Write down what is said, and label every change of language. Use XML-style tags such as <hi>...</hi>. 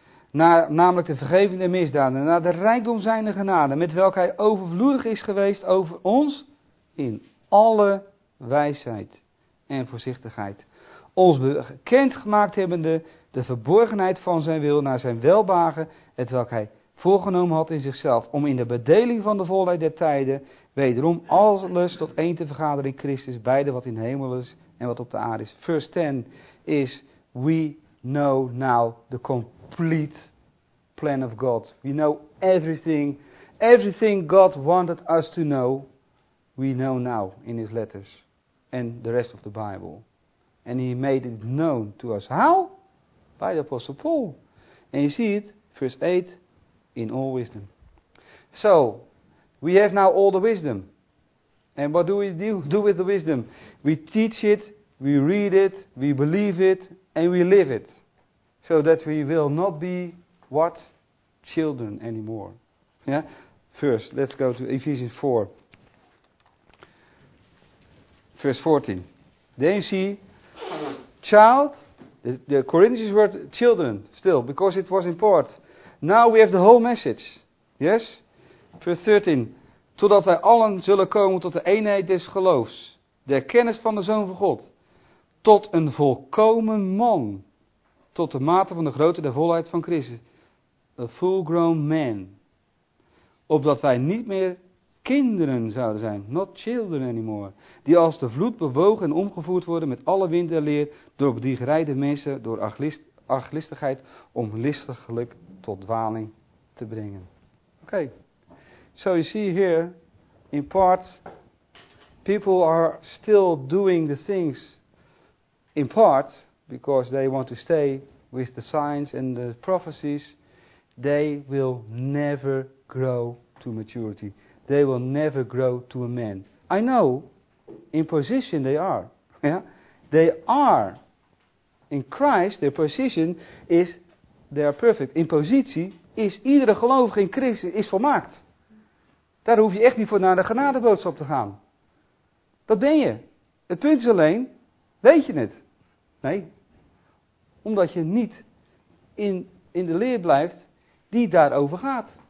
<nl>Namelijk de vergeving der misdaden, naar de rijkdom zijner genade, met welke hij overvloedig is geweest over ons in alle wijsheid en voorzichtigheid. Ons bekend gemaakt hebbende de verborgenheid van zijn wil naar zijn welbehagen, het welk hij voorgenomen had in zichzelf, om in de bedeling van de volheid der tijden wederom alles tot één te vergaderen in Christus, beide wat in de hemel is en wat op de aarde is. Vers 10</nl> <en>is: we know now the complete plan of God. We know everything. Everything God wanted us to know, we know now in his letters and the rest of the Bible. And he made it known to us. How? By the Apostle Paul. And you see it, verse 8, in all wisdom. So, we have now all the wisdom. And what do we do with the wisdom? We teach it, we read it, we believe it, and we live it. So that we will not be what? Children anymore. Yeah. First, let's go to Ephesians 4. Verse 14. Then you see, child, the Corinthians were children still, because it was important. Now we have the whole message. Yes? Verse 13.</en> <nl>Totdat wij allen zullen komen tot de eenheid des geloofs, de kennis van de Zoon van God, tot een volkomen man, tot de mate van de grootte der volheid van Christus.</nl> <en>A full grown man.</en> <nl>Opdat wij niet meer kinderen zouden zijn,</nl> <en>not children anymore,</en> <nl>die als de vloed bewogen en omgevoerd worden met alle wind en leer, door bediegerijde mensen, door arglistigheid, om listiglijk tot dwaling te brengen.</nl> <en>Oké, so you see here, in part, people are still doing the things, in part, because they want to stay with the signs and the prophecies, they will never grow to maturity. They will never grow to a man. I know, in position they are. Yeah? They are. In Christ, their position is, they are perfect.</en> <nl>In positie is iedere gelovige in Christus is volmaakt. Daar hoef je echt niet voor naar de genadeboodschap te gaan. Dat ben je. Het punt is alleen, weet je het? Nee. Omdat je niet in de leer blijft die daarover gaat.</nl>